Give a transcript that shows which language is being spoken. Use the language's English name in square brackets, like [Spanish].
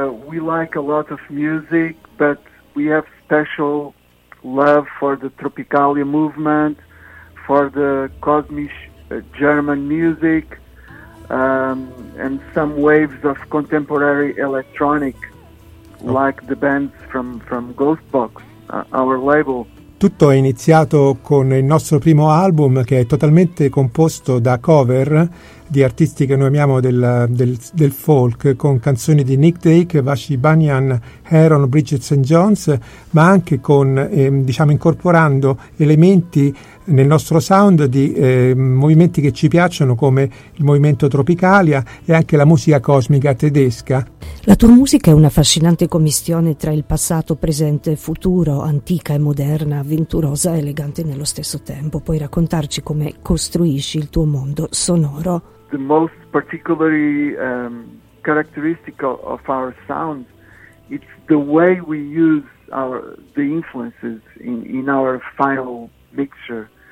[English] We like a lot of music, but we have special love for the Tropicália movement, for the Cosmisch German music, and some waves of contemporary electronic, like the bands from Ghostbox, our label. [Italian] Tutto è iniziato con il nostro primo album, che è totalmente composto da cover di artisti che noi amiamo del folk, con canzoni di Nick Drake, Vashti Banyan, Heron, Bridget St. John's, ma anche con diciamo incorporando elementi nel nostro sound di movimenti che ci piacciono, come il movimento Tropicália e anche la musica cosmica tedesca. La tua musica è una affascinante commistione tra il passato, presente e futuro, antica e moderna, avventurosa e elegante nello stesso tempo. Puoi raccontarci come costruisci il tuo mondo sonoro? [English] The most particularly characteristic of our sound, it's the way we use the influences in our final mixture.